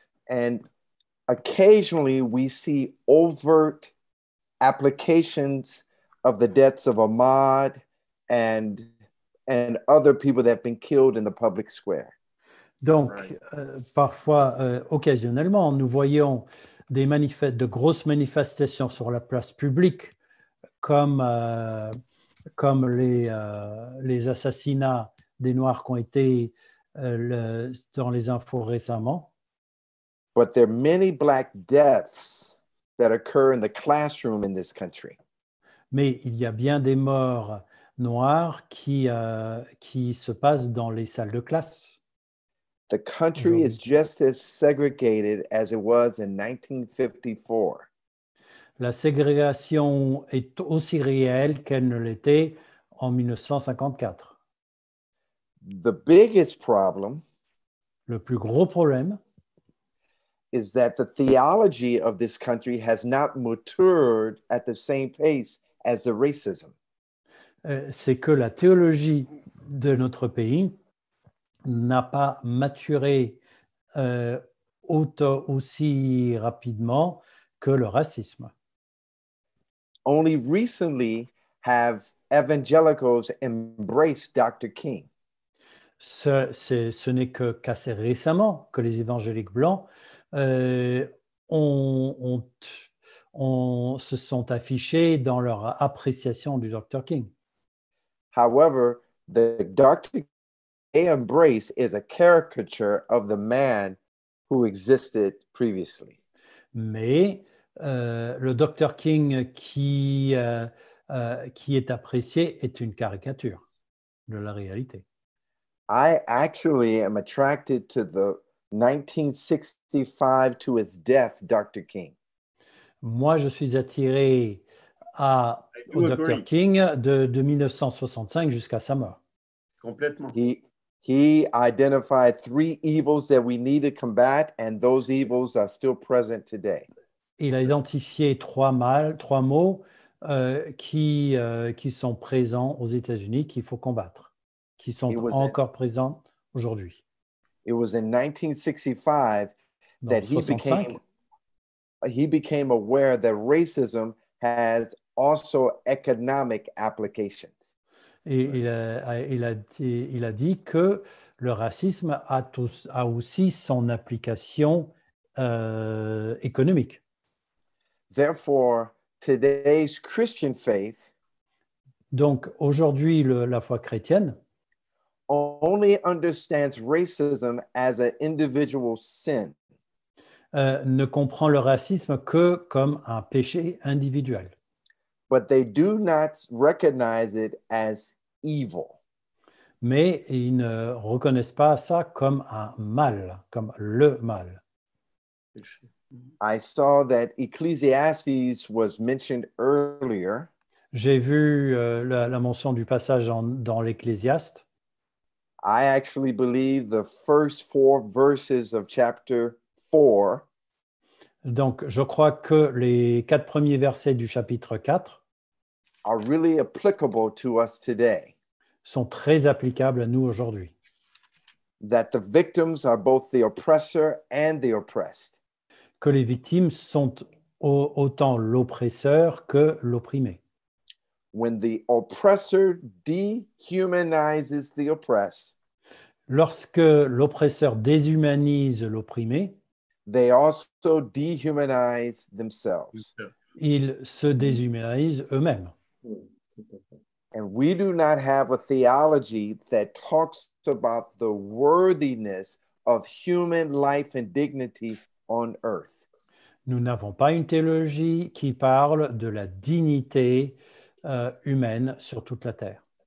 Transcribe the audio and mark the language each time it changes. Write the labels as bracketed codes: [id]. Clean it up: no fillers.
[en] And occasionally, we see overt applications of the deaths of Ahmaud and other people that have been killed in the public square. [fr] Donc, parfois, occasionnellement, nous voyons des de grosses manifestations sur la place publique, comme, comme les assassinats des Noirs qui ont été dans les infos récemment. [en] But there are many black deaths that occur in the classroom in this country. [fr] Mais il y a bien des morts noires qui se passent dans les salles de classe. [en] The country is just as segregated as it was in 1954. [fr] La ségrégation est aussi réelle qu'elle ne l'était en 1954. [en] The biggest problem, [fr] le plus gros problème, [en] is that the theology of this country has not matured at the same pace as the racism. [fr] C'est que la théologie de notre pays n'a pas maturé aussi rapidement que le racisme. [en] Only recently have evangelicals embraced Dr. King. [fr] Ce n'est qu'assez récemment que les évangéliques blancs se sont affichés dans leur appréciation du Dr. King. [en] However, the Dr. King they embrace is a caricature of the man who existed previously. [fr] Mais le Dr. King qui est apprécié est une caricature de la réalité. [en] I actually am attracted to the 1965 to his death, Dr. King. [fr] Moi, je suis attiré au Dr. King de 1965 jusqu'à sa mort. Complètement. [en] He identified three evils that we need to combat, and those evils are still present today. [fr] Il a identifié trois maux qui sont présents aux États-Unis qu'il faut combattre, qui sont encore présents aujourd'hui. [en] It was in 1965 that he became aware that racism has also economic applications. [fr] Et il a dit que le racisme a aussi son application économique. [en] Therefore, today's Christian faith, [fr] donc aujourd'hui la foi chrétienne, [en] only understands racism as an individual sin. [fr] Ne comprend le racisme que comme un péché individuel. [en] But they do not recognize it as evil. [fr] Mais ils ne reconnaissent pas ça comme un mal, comme le mal. [en] I saw that Ecclesiastes was mentioned earlier. [fr] J'ai vu la mention du passage dans l'Ecclésiaste. [en] I actually believe the first four verses of chapter 4. [fr] Donc, je crois que les quatre premiers versets du chapitre 4 [en] are really applicable to us today. [fr] Sont très applicables à nous aujourd'hui. [en] That the victims are both the oppressor and the oppressed. [fr] Que les victimes sont autant l'oppresseur que l'opprimé. [en] When the oppressor dehumanizes the oppressed, [fr] lorsque l'oppresseur déshumanise l'opprimé, [en] they also dehumanize themselves. [fr] Ils se déshumanisent eux-mêmes. [en] And we do not have a theology that talks about the worthiness of human life and dignity on earth. [fr] Nous n'avons pas une théologie qui parle de la dignité humaine sur toute la terre.